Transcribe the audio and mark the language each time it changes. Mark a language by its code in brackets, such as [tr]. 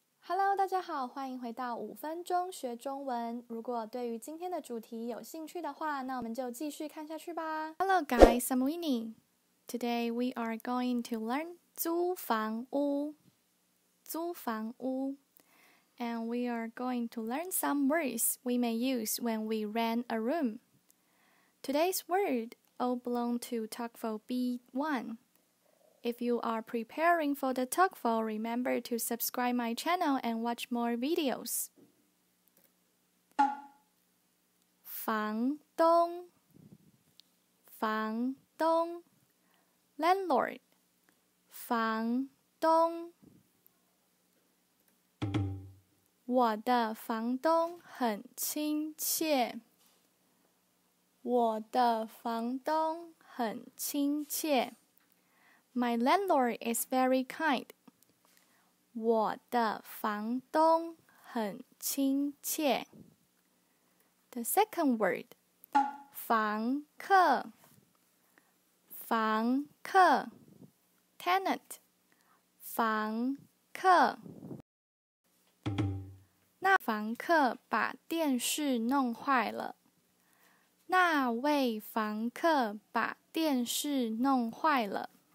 [zh] Hello， 大家好，欢迎回到五分钟学中文。如果对于今天的主题有兴趣的话，那我们就继续看下去吧。 [en] Hello, guys, I'm Winnie. Today we are going to learn 租房屋，租房屋。 And we are going to learn some words we may use when we rent a room. Today's word all belong to TOCFL B1. If you are preparing for the TOCFL, remember to subscribe my channel and watch more videos. [zh] 房东，房东 Landlord 房东我的房东很亲切。我的房东很亲切。 [en] My landlord is very kind. [zh] 我的房东很亲切。 [en] The second word, 房客。 [zh] 房客 ,tenant, 房客。那房客把电视弄坏了。那位房客把电视弄坏了。